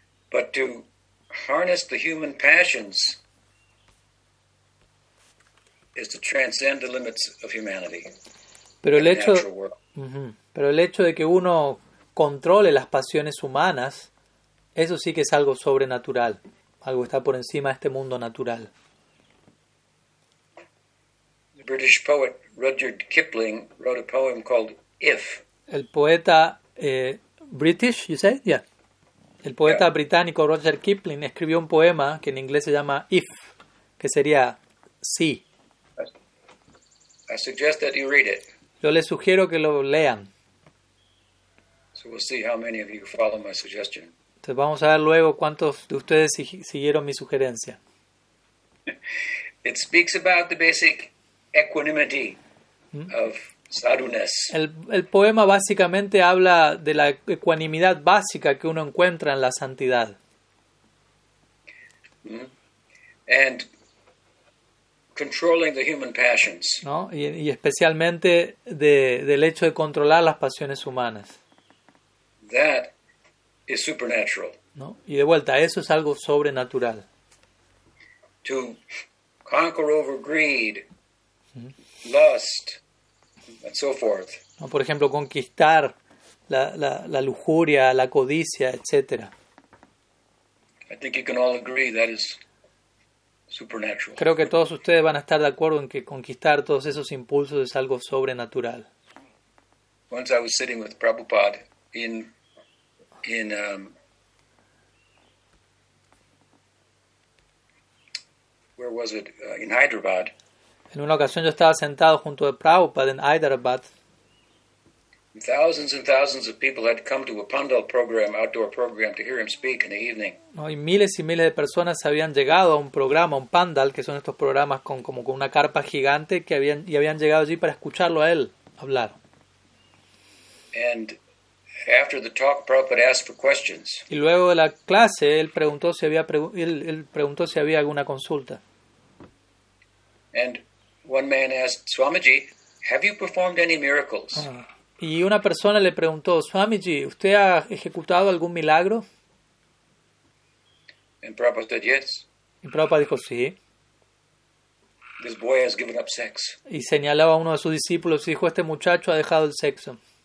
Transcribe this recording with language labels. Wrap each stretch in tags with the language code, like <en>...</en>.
<en>But to harness the human passions is to transcend the limits of humanity.</en> <es>Pero el hecho de que uno controle las pasiones humanas, eso sí que es algo sobrenatural. Algo está por encima de este mundo natural.</es> <en>British poet Rudyard Kipling wrote a poem called If.</en> <es>El poeta</es> <en>British, you say? Yeah.</en> <es>El poeta británico Rudyard Kipling escribió un poema que en inglés se llama If, que sería si.</es> <en>I suggest that you read it.</en> <es>Yo les sugiero que lo lean.</es> <en>So we'll see how many of you follow my suggestion.</en> <es>Entonces vamos a ver luego cuántos de ustedes siguieron mi sugerencia.</es> <en>It speaks about the basic equanimity of sadhuness.</en> <es>El poema básicamente habla de la ecuanimidad básica que uno encuentra en la santidad.</es> <en>And controlling the human passions.</en> <es>¿No? Y especialmente del hecho de controlar las pasiones humanas.</es> <en>That is supernatural.</en> <es>¿No? Y de vuelta, eso es algo sobrenatural.</es> <en>To conquer over greed, lust, and so forth.</en> <es>¿No? Por ejemplo, conquistar la lujuria, la codicia, etc.</es> <en>I think you can all agree that is supernatural.</en> <es>Creo que todos ustedes van a estar de acuerdo en que conquistar todos esos impulsos es algo sobrenatural.</es> <en>Once I was sitting with Prabhupada in where was it? In Hyderabad.</en> <es>En una ocasión yo estaba sentado junto a Prabhupada en Hyderabad.</es> <en>Thousands and thousands of people had come to a Pandal program, outdoor program, to hear him speak in the evening.</en> <es>No, y miles y miles de personas habían llegado a un programa, un Pandal, que son estos programas con una carpa gigante, y habían llegado allí para escucharlo a él hablar.</es> <en>And after the talk, Prabhupada asked for questions.</en> <es>Y luego de la clase, él preguntó si había alguna consulta.</es> <en>And one man asked, Swamiji, have you performed any miracles?</en> <es>Y una persona le preguntó, Swamiji, ¿usted ha ejecutado algún milagro?</es> <en>And Prabhupada said, yes.</en> <es>Y Prabhupada dijo, sí.</es> <en>This boy has given up sex.</en> <es>Y señaló a uno de sus discípulos y dijo, este muchacho ha dejado el sexo.</es>